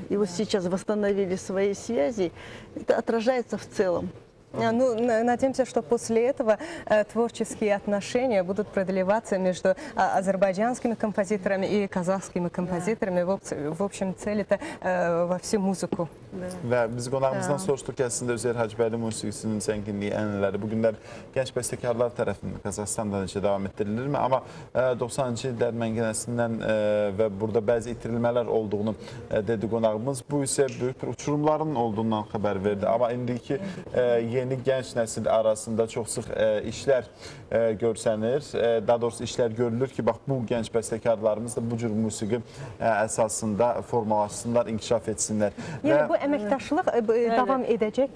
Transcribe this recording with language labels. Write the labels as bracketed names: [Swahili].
[Russian] И вот сейчас восстановили свои связи. Это отражается в целом. Ну, надеемся, что после этого творческие отношения будут продлеваться между азербайджанскими композиторами и казахскими композиторами. Да. В общем, цель это во всю музыку. [Azerbaijani] Ve biz qonağımızdan soruşduk ki, əslində Üzeyir Hacıbəyli musiqisinin zənginliyi, ənələri bugünlər gənc bəstəkarlar tərəfindən Qazaxıstanda necə davam etdirilirmi? Amma 90-cı illər məngənəsindən və burada bəzi itirilmələr olduğunu dedi qonağımız. Bu isə böyük bir uçurumların olduğundan xəbər verdi. Amma indiki yeni gənc nəsil arasında çox sıx işlər görsənir. Daha doğrusu işlər görülür ki, bax, bu gənc bəstəkarlarımız da bu cür musiqi əsasında formalaşsınlar, inkişaf etsinlər. Bu əməkdaşlıq davam edəcək